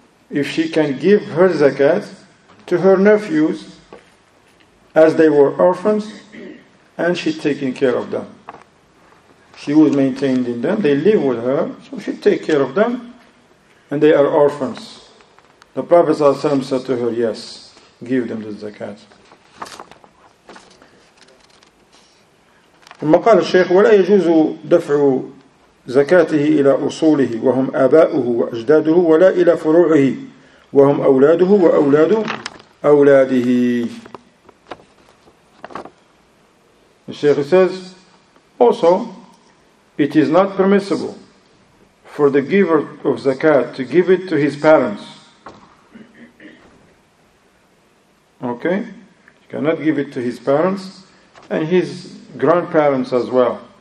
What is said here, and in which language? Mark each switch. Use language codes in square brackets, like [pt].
[en] If she can give her zakat to her nephews as they were orphans, and she's taking care of them. She was maintaining them. They live with her, so she takes care of them. And they are orphans. The Prophet ﷺ said to her, yes, give them the zakat. [ar] ثم قال الشيخ ولا يجوز دفع زكاته إلى أصوله وهم آباؤه وأجداده ولا إلى فروعه وهم أولاده وأولاد أولاده. [en] The Sheikh says, also, it is not permissible for the giver of zakat to give it to his parents. Okay? He cannot give it to his parents and his grandparents as well.